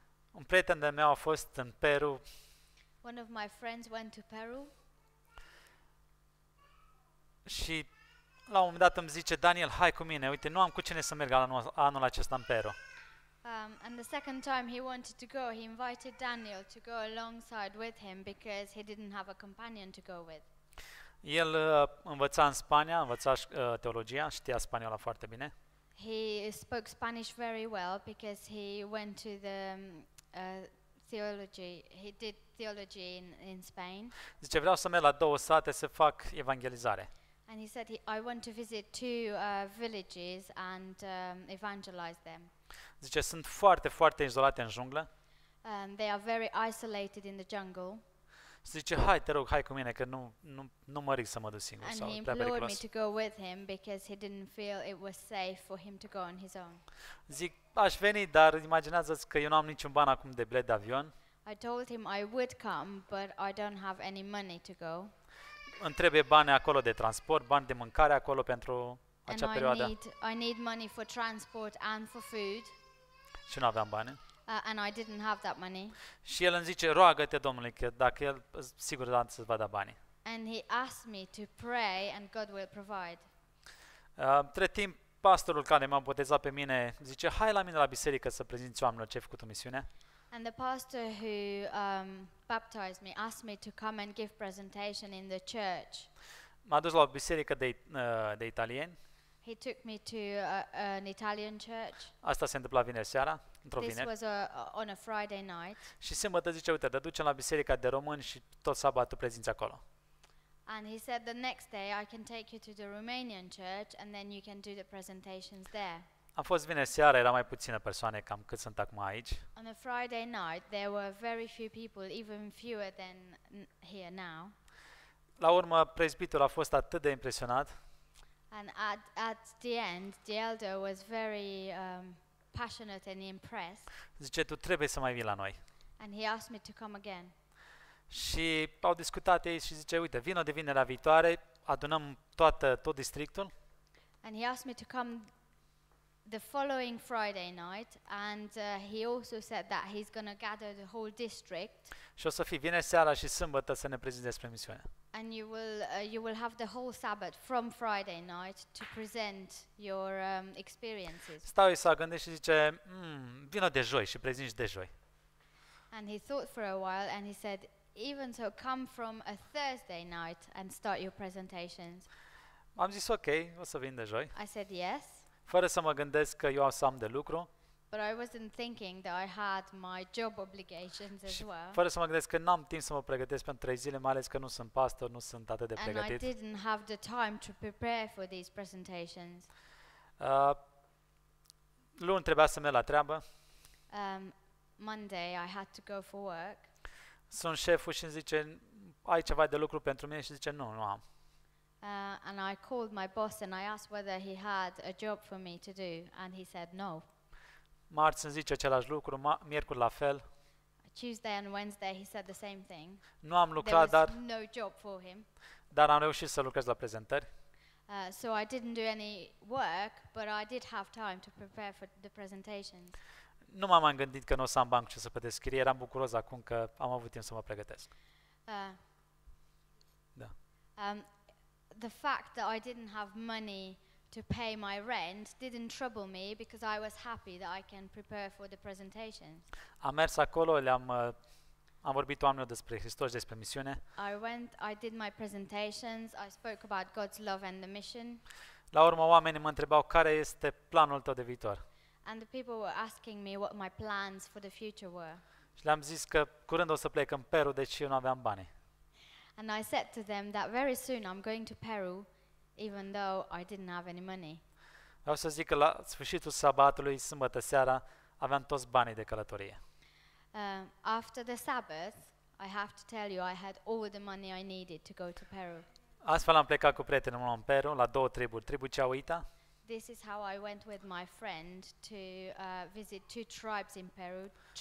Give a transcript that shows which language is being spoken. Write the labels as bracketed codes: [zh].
[ro] Un prieten de meu a fost în Peru. [en] One of my friends went to Peru. [ro] Și la un moment dat îmi zice, Daniel, hai cu mine, uite, nu am cu cine să merg anul acesta în Peru. [en] And the second time he wanted to go, he invited Daniel to go alongside with him because he didn't have a companion to go with. [ro] El învăța în Spania, învăța teologia, știa spaniola foarte bine. [en] He spoke Spanish very well because he went to the theology. He did theology in Spain. [ro] Zice, vreau să merg la două sate să fac evangelizare. [en] And he said, I want to visit two villages and evangelize them. [ro] Zice, sunt foarte, foarte izolate în junglă. [en] They are very isolated in the jungle. [ro] Zice, hai, te rog, hai cu mine, că nu mă risc să mă duc singur. [en] And he implored me to go with him because he didn't feel it was safe for him to go on his own. [ro] Zic, aș veni, dar imaginează-ți că eu nu am niciun ban acum de bilet de avion. [en] I told him I would come, but I don't have any money to go. [ro] Îmi trebuie bani acolo de transport, bani de mâncare acolo pentru acea perioadă. [en] I need money for transport and for food. [ro] Și nu aveam bani. [en] And I didn't have that money. [ro] Și el îmi zice, roagă-te Domnului că dacă el sigur da să-ți va da bani. [en] And he asked me to pray and God will provide. [ro] Între timp, pastorul care m-a botezat pe mine zice, hai la mine la biserică să prezinți oamenilor ce ai făcut o misiune. [en] And the pastor who baptized me asked me to come and give presentation in the church. [ro] M-a dus la o biserică de italieni. [en] He took me to an Italian church. [ro] Asta s-a întâmplat vineri seara. [en] This was on a Friday night. [ro] Și sâmbătă zice, uite, te ducem la biserica de români și tot sâmbătă prezinți acolo. [en] And he said the next day I can take you to the Romanian church and then you can do the presentations there. [ro] A fost vineri seara, era mai puține persoane, cam cât sunt acum aici. [en] On a Friday night there were very few people, even fewer than here now. [ro] La urmă prezbitul a fost atât de impresionat. [en] And at the end the elder was very passionate and impressed. [ro] Zice, tu trebuie să mai vii la noi. [en] And he asked me to come again. [ro] Și au discutat ei și zice, uite, vino de vinerea viitoare, adunăm tot districtul. [en] And he asked me to come the following Friday night and he also said that he's going to gather the whole district. [ro] Și o să fie vineri seara și sâmbătă să ne prezinte despre misiune. [en] And you will have the whole Sabbath from Friday night to present your experiences. [ro] Stau și s-a gândit și zice, vino de joi și prezinți de joi. [en] And he thought for a while and he said, even so, come from a Thursday night and start your presentations. [ro] Am zis, ok, o să vin de joi. [en] I said, yes. [ro] Fără să mă gândesc că eu am să am de lucru. [en] But I wasn't thinking that I had my job obligations as well. [ro] Fără să mă gândesc că n-am timp să mă pregătesc pentru 3 zile, mai ales că nu sunt pastor, nu sunt atât de pregătit. [en] And I didn't have the time to prepare for these presentations. [ro] Luni trebuia să merg la treabă. [en] Monday I had to go for work. [ro] Sunt șeful și îmi zice, ai ceva de lucru pentru mine? Și zice, nu am. [en] And I called my boss and I asked whether he had a job for me to do and he said no. [ro] Marți îmi zice același lucru, miercuri la fel. [en] Tuesday and Wednesday he said the same thing. [ro] Nu am lucrat, dar [en] no job for him. [ro] Dar am reușit să lucrez la prezentări. [en] So I didn't do any work, but I did have time to prepare for the presentations. [ro] Nu m-am gândit că n-o să am bani ce să plătesc chirie, eram bucuros acum că am avut timp să mă pregătesc. Da. [en] The fact that I didn't have money to pay my rent didn't trouble me because I was happy that I can prepare for the presentation. [ro] Am mers acolo, am vorbit oamenilor despre Hristos, despre misiune. [en] I did my presentations, I spoke about God's love and the mission. [ro] La urmă oamenii mă întrebau care este planul tău de viitor. [en] And the people were asking me what my plans for the future were. [ro] Și le-am zis că curând o să plec în Peru, deci eu nu aveam bani. [en] And I said to them that very soon I'm going to Peru, even though I didn't have any money. [ro] Vreau să zic că la sfârșitul sabatului, sâmbătă seara, aveam toți banii de călătorie. [en] After the Sabbath, I have to tell you I had all the money I needed to go to Peru. [ro] Astfel am plecat cu prietenul meu în Peru, la două triburi, tribul Chauita. [en] This is how I went with my friend to visit two tribes in Peru,